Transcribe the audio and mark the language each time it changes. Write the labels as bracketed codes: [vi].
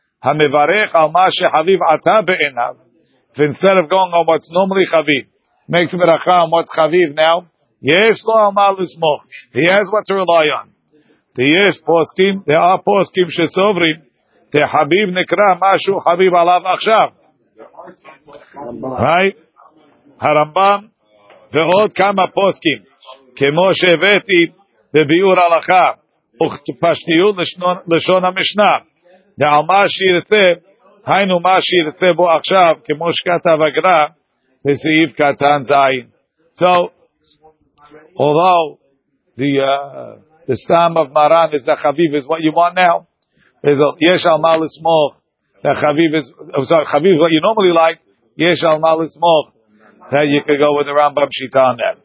[en] המברך על מה שחביב עתה בעיניו, instead of going on what's normally חביב, makes ברכה on what's חביב now, יש לו על מה לסמוך, he has what to rely on. [he] יש פוסקים, there are פוסקים שסוברים, שחביב נקרא משהו חביב עליו עכשיו. Right? הרמב״ם, ועוד כמה פוסקים, כמו שהבאתי בביאור הלכה, ופשטיות לשון המשנה, ועל מה שירצה, היינו מה שירצה בו עכשיו, כמו שכתב הגר"א, בסעיף קטן זין. [en] So, although the stam of Maran is the Chaviv, is what you want now, יש על מה לסמוך, the Chaviv is, sorry, Chaviv is what you normally like, יש על מה לסמוך, that you could go with the Rambam Shita on that.